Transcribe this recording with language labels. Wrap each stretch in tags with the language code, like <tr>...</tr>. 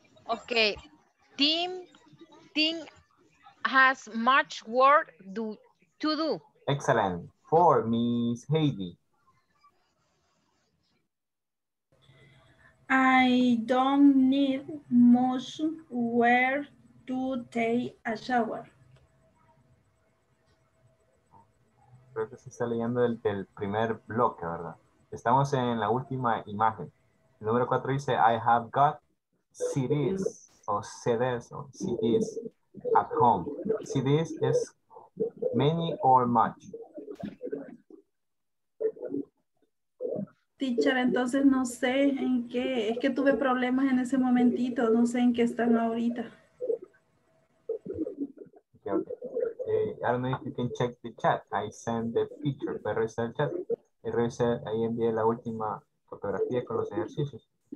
<en>Okay. Tim has much work to do. Excellent. Four, Miss Heidi. I don't need much work to take a shower.</en> <es>Creo que se está leyendo del primer bloque, ¿verdad? Estamos en la última imagen. El número 4 dice,</es> <en>I have got CDs, CDs at home. CDs es many or much.</en> <es>Teacher, entonces no sé en qué, es que tuve problemas en ese momentito, no sé en qué están ahorita.</es> <en>I don't know if you can check the chat. I send the picture.</en> <es>Voy a revisar el chat. Ahí envié la última fotografía con los ejercicios.</es>